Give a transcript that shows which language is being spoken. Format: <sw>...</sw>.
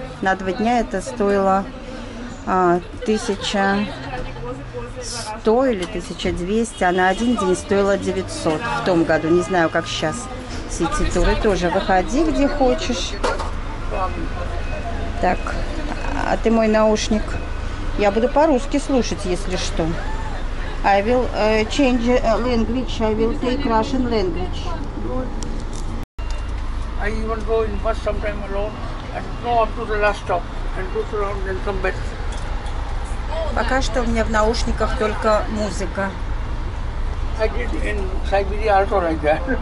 <ru>На 2 дня это стоило 1100 или 1200, а на 1 день стоило 900 в том году. Не знаю, как сейчас. Сити-туры тоже. Выходи, где хочешь. Так, а ты мой наушник. Я буду по-русски слушать, если что.</ru> <en>I will change language. I will take Russian language. I even go in bus sometime alone and go up to the last stop and look around and come back.</en> <ru>Пока что у меня в наушниках только музыка.</ru> <en>I did in Siberia also like that.</en>